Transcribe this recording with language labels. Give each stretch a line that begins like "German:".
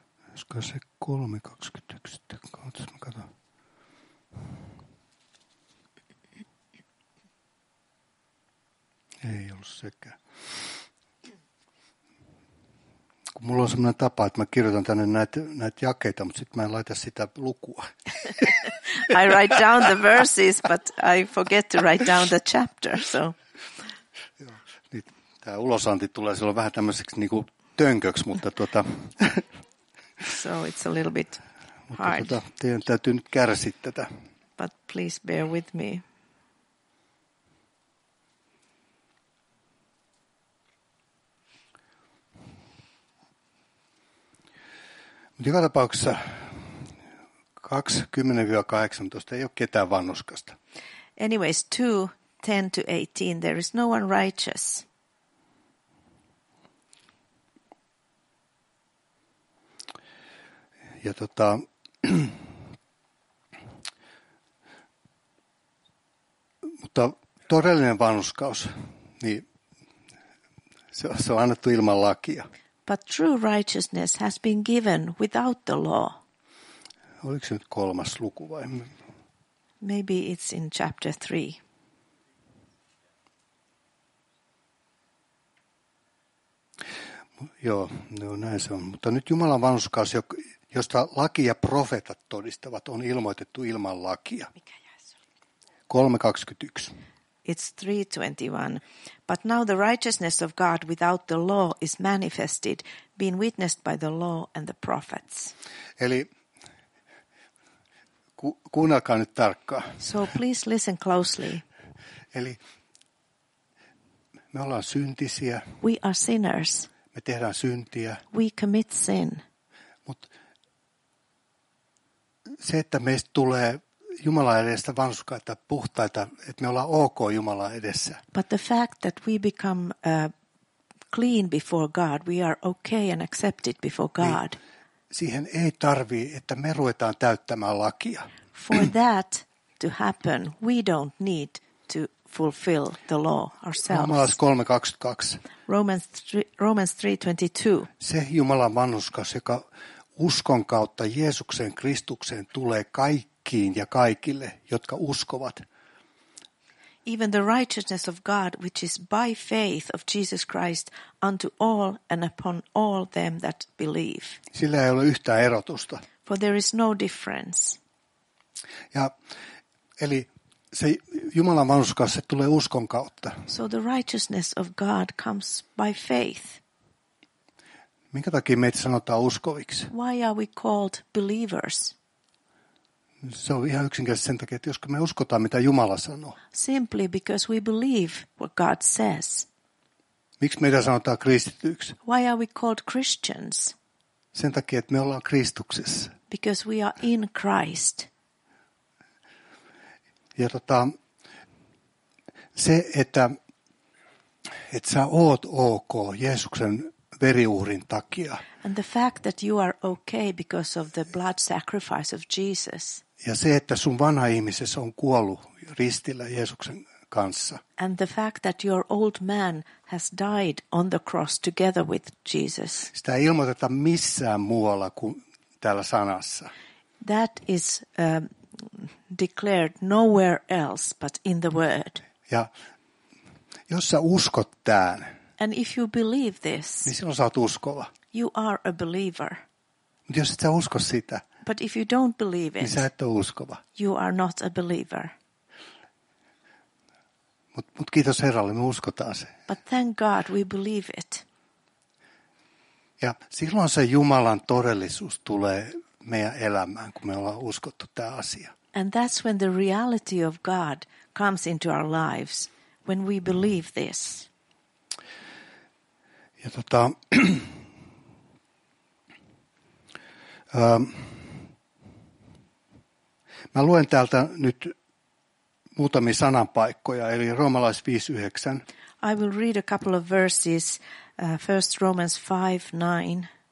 Finnish: Olisiko se 3:21 sitten? Katsotaan, mä katson. Ei ollut sekään. Kun mulla on semmoinen tapa, että mä kirjoitan tänne näitä jakeita, mutta sitten mä en laita sitä lukua.
English: I write down the verses, but I forget to write down the chapter, so...
Finnish: Tämä ulosanti tulee silloin vähän tämmöiseksi niin kuin tönköksi, mutta tuota.
English: So it's a little bit hard.
Finnish: Mutta teidän täytyy nyt kärsiä tätä.
English: But please bear with me.
Finnish: Mutta joka tapauksessa 2:10-18 ei ole ketään vanhuskasta.
English: Anyways, 2:10-18, there is no one righteous.
Finnish: Ja mutta todellinen vanhurskaus, niin se on annettu ilman lakia.
English: But true righteousness has been given without the law.
Finnish: Oliko se nyt kolmas luku vai?
English: Maybe it's in chapter 3.
Finnish: Joo, näin se on. Mutta nyt Jumalan vanhurskaus, josta laki ja profeetat todistavat, on ilmoitettu ilman lakia. 3:21.
English: It's 3:21. But now the righteousness of God without the law is manifested, being witnessed by the law and the prophets.
Finnish: Eli kuunnelkaa nyt tarkkaan.
English: So please listen closely.
Finnish: Eli me ollaan syntisiä.
English: We are sinners.
Finnish: Me tehdään syntiä.
English: We commit sin.
Finnish: Mutta se, että meistä tulee Jumalan edestä vanhurskaita, puhtaita, että me ollaan ok Jumalan edessä.
English: But the fact that we become clean before God, we are okay and accepted before God.
Finnish: Niin, siihen ei tarvii, että me ruvetaan täyttämään lakia.
English: For that to happen, we don't need to fulfill the law ourselves. Romans 3:22.
Finnish: Se Jumalan vanhurskaus, joka uskon kautta Jeesukseen Kristukseen tulee kaikkiin ja kaikille, jotka uskovat.
English: Even the righteousness of God, which is by faith of Jesus Christ, unto all and upon all them that believe.
Finnish: Sillä ei ole yhtään erotusta.
English: For there is no difference.
Finnish: Ja, eli se Jumalan vanhurskaus, se tulee uskon kautta.
English: So the righteousness of God comes by faith.
Finnish: Minkä takia meitä sanotaan uskoviksi?
English: Why are we called believers?
Finnish: Se on ihan yksinkertaisesti sen takia, että jos me uskotaan, mitä Jumala sanoo.
English: Simply because we believe what God says.
Finnish: Miksi meitä sanotaan kristityiksi?
English: Why are we called Christians?
Finnish: Sen takia, että me ollaan Kristuksessa.
English: Because we are in Christ.
Finnish: Ja se, että sä oot ok Jeesuksen veriuhrin takia.
English: And the fact that you are okay because of the blood sacrifice of Jesus.
Finnish: Ja se, että sun vanha ihmisessä on kuollut ristillä Jeesuksen kanssa.
English: And the fact that your old man has died on the cross together with Jesus.
Finnish: Sitä ei ilmoiteta missään muualla kuin täällä sanassa.
English: That is declared nowhere else but in the word.
Finnish: Ja jos sä uskot tämän.
English: And if you believe this,
Finnish: niin silloin sä oot uskova.
English: You are a believer.
Finnish: Mutta jos et sä usko sitä,
English: But if you don't believe it,
Finnish: niin sä et ole uskova.
English: You are not a believer.
Finnish: Mut kiitos Herralle, me uskotaan se.
English: But thank God we believe it.
Finnish: Ja silloin se Jumalan todellisuus tulee meidän elämään, kun me ollaan uskottu tämä asia.
English: And that's when the reality of God comes into our lives, when we believe this.
Finnish: Ja tota, mä luen täältä nyt muutamia sananpaikkoja, eli Roomalais 5:9.
English: I will read a couple of verses, 1 Romans 5:9.